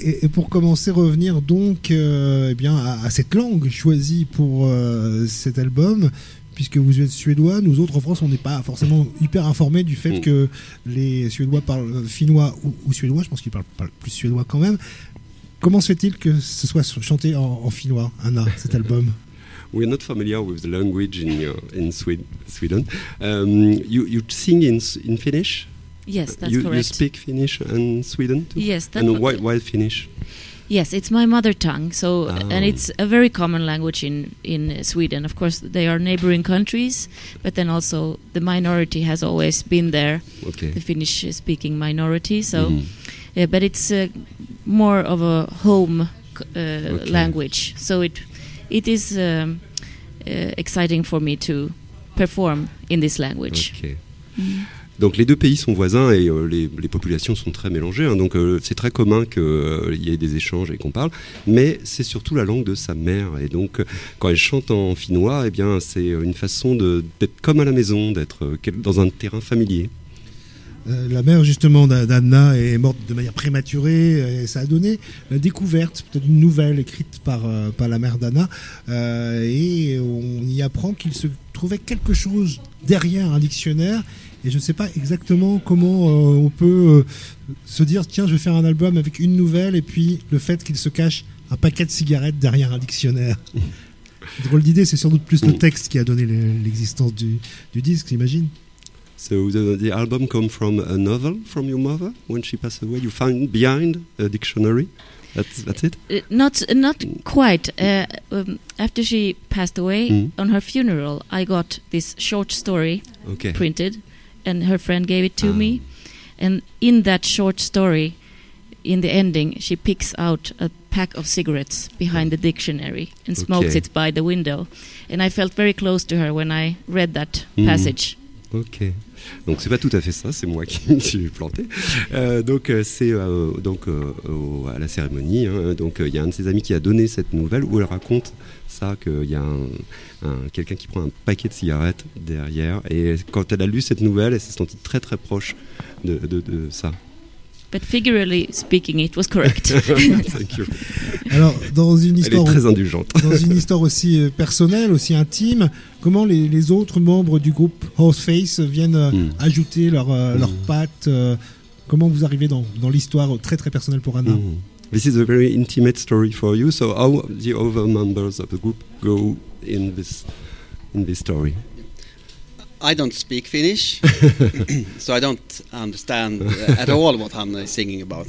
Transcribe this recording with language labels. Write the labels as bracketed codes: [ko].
[fr] Et pour commencer, revenir donc à cette langue choisie pour cet album, puisque vous êtes suédois. Nous autres en France, on n'est pas forcément hyper informés du fait que les Suédois parlent finnois ou suédois. Je pense qu'ils parlent plus suédois quand même. Comment se fait-il que ce soit chanté en finnois, Anna, cet album? [en] We are not familiar with the language in Sweden. You sing in Finnish? Yes, that's correct. You speak Finnish in Sweden too? Yes, that's correct. And why Finnish? Yes, it's my mother tongue. So, and it's a very common language in Sweden. Of course, they are neighboring countries, but then also the minority has always been there. Okay. The Finnish speaking minority. So, yeah, but it's more of a home language, so it is exciting for me to perform in this language. [fr] Donc les deux pays sont voisins et les populations sont très mélangées, hein, donc c'est très commun qu'il y ait des échanges et qu'on parle, mais c'est surtout la langue de sa mère, et donc quand elle chante en finnois, eh bien c'est une façon d'être comme à la maison, d'être dans un terrain familier. La mère justement d'Anna est morte de manière prématurée et ça a donné la découverte, peut-être une nouvelle écrite par la mère d'Anna, et on y apprend qu'il se trouvait quelque chose derrière un dictionnaire, et je ne sais pas exactement comment on peut se dire tiens, je vais faire un album avec une nouvelle et puis le fait qu'il se cache un paquet de cigarettes derrière un dictionnaire. Drôle d'idée, c'est sans doute plus le texte qui a donné l'existence du disque, j'imagine. [en] So the album come from a novel from your mother when she passed away. You found behind a dictionary. That's it? Not quite. After she passed away, on her funeral, I got this short story printed, and her friend gave it to me. And in that short story, in the ending, she picks out a pack of cigarettes behind the dictionary and smokes it by the window. And I felt very close to her when I read that passage. Okay. [fr] Donc c'est pas tout à fait ça, c'est moi qui me suis planté. Donc c'est donc à la cérémonie. Hein, donc il y a un de ses amis qui a donné cette nouvelle où elle raconte ça qu'il y a quelqu'un qui prend un paquet de cigarettes derrière. Et quand elle a lu cette nouvelle, elle s'est sentie très très proche de ça. [en] But figuratively speaking, it was correct. Thank you. [fr] Alors dans une histoire très indulgente, dans une histoire aussi personnelle, aussi intime, comment les autres membres du groupe Horseface viennent ajouter leurs pattes? Comment vous arrivez dans l'histoire très très personnelle pour Anna? [en] This is a very intimate story for you. So how the other members of the group go in this story? I don't speak Finnish, so I don't understand at all what Hanna is singing about.